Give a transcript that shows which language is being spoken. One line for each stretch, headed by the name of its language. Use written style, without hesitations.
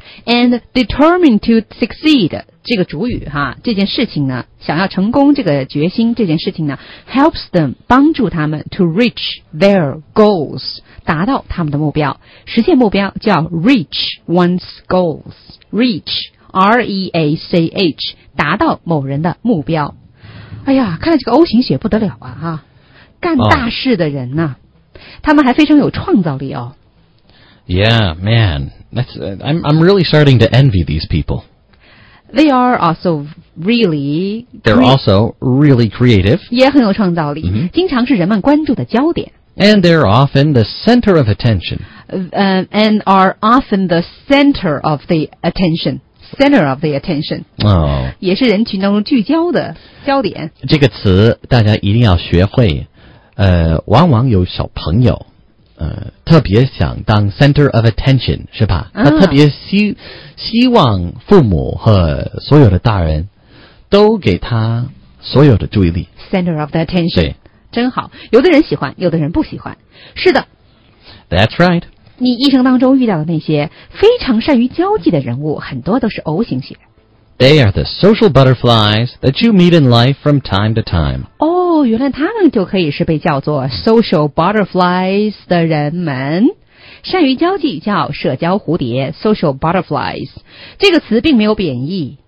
English: and determined to succeed
Chinese: 这个主语哈，这件事情呢，想要成功，这个决心，这件事情呢 ，
English: helps them
Chinese: 帮助他们
English: to reach their goals
Chinese: 达到他们的目标，实现目标叫
English: reach one's goals reach R E A C H
Chinese: 达到某人的目标。哎呀，看来这个 O 型血不得了啊哈，干大事的人呢、啊， oh. 他们还非常有创造力哦。
English: Yeah, man, that's I'm really starting to envy these people. They are also really. They're also really creative.
Chinese: 也很有创造力、 mm-hmm. 经常是人们关注的焦点
English: And they're often the center of attention. And are often the center of the attention. Center of the attention. Oh.
Chinese: 也是人群当中聚焦的焦点。这个词大家一定要学会。往往有小朋友，特别想当 center of attention, 是吧？他特别希望父母和所有的大人都给他所有的注意力。
English: Center of the attention.
Chinese: 对。真好。有的人喜欢，有的人不喜欢。是的。
English: That's right.
Chinese: 你一生当中遇到的那些非常善于交际的人物，很多都是 O 型血。
English: They are the social butterflies that you meet in life from time to time.
Chinese: 哦，原来他们就可以是被叫做 social butterflies 的人们。善于交际叫社交蝴蝶 social butterflies 这个词并没有贬义